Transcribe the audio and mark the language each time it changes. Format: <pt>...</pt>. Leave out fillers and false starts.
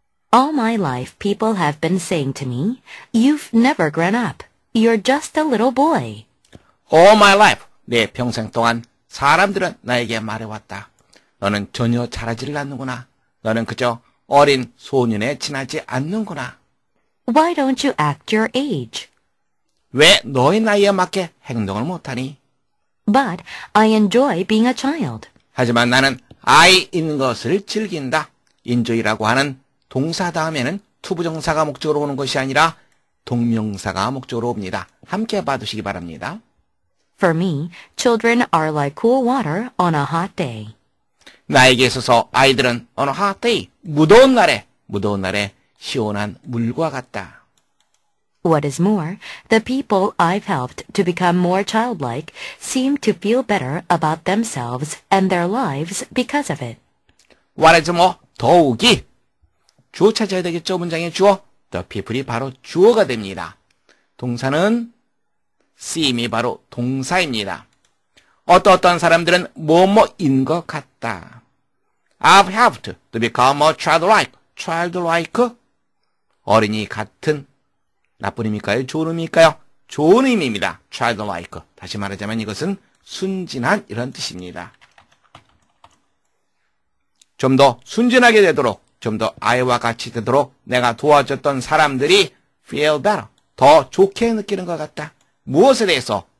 <en>'All my life people have been saying to me, "You've never grown up. You're just a little boy." All my life,</en> <ko>내 평생 동안 사람들은 나에게 말해왔다. 너는 전혀 자라지를 않는구나. 너는 그저 어린 소년에 지나지 않는구나.</ko> <en>Why don't you act your age?</en> <ko>왜 너의 나이에 맞게 행동을 못하니?</ko> <en>But I enjoy being a child.</en> <ko>하지만 나는 아이인 것을 즐긴다. enjoy라고 하는 동사 다음에는 투부정사가 목적으로 오는 것이 아니라 동명사가 목적으로 옵니다. 함께 봐주시기 바랍니다.</ko> <en>For me, children are like cool water on a hot day.</en> <ko>나에게 있어서 아이들은</ko> <en>on a hot day,</en> <ko>무더운 날에 시원한 물과 같다.</ko> <en>What is more, the people I've helped to become more childlike seem to feel better about themselves and their lives because of it. What is more,</en> <ko>더욱이. 주어 찾아야 되겠죠, 문장의 주어. The people이 바로 주어가 됩니다. 동사는 seem이 바로 동사입니다. 어떤 사람들은 뭐뭐인 것 같다.</ko> <en>I've helped to become a childlike. Childlike?</en> <ko>어린이 같은 나쁜 의미일까요? 좋은 의미일까요? 좋은 의미입니다. Childlike. 다시 말하자면 이것은 순진한 이런 뜻입니다. 좀 더 순진하게 되도록 좀 더 아이와 같이 되도록 내가 도와줬던 사람들이</ko> <en>feel better,</en> <ko>더 좋게 느끼는 것 같다. 무엇에 대해서?</ko>